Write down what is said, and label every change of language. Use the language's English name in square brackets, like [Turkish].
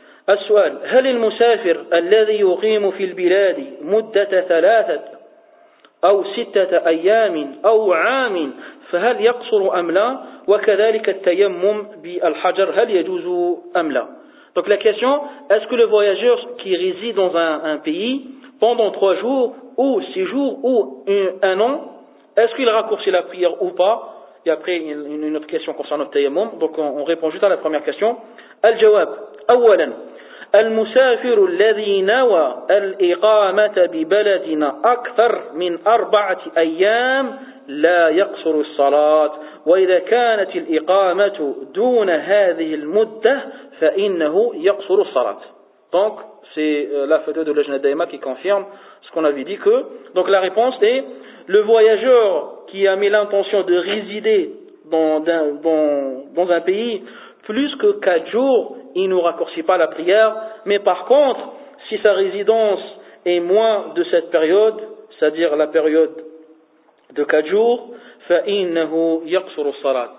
[Arabic] السؤال: هل المسافر الذي يقيم في البلاد مدة 3 أو 6 أيام أو عام فهل يقصر أم لا؟ [French] وكذلك التيمم بالحجر هل يجوز أم لا؟ Donc la question: est-ce que le voyageur qui réside dans un pays pendant 3 jours ou 6 jours ou un an, est-ce qu'il raccourcit la prière ou pas? Et après une autre question concernant le tayammum. Donc on répond juste à la première question. [Arabic] الجواب: أولا المسافر الذي نوى الإقامة ببلدنا أكثر من 4 أيام لا يقصر الصلاة وإذا كانت الإقامة دون هذه المدة فإنه يقصر الصلاة. [French] Donc c'est la fatwa de la Lajna Daima qui confirme ce qu'on avait dit que. Donc la réponse est: le voyageur qui a mis l'intention de résider dans un pays plus que 4 jours, il ne raccourcit pas la prière. Mais par contre, si sa résidence est moins de cette période, c'est-à-dire la période de 4 jours, [Arabic] فَإِنَّهُ يَقْصُرُ الصَّلَاةِ.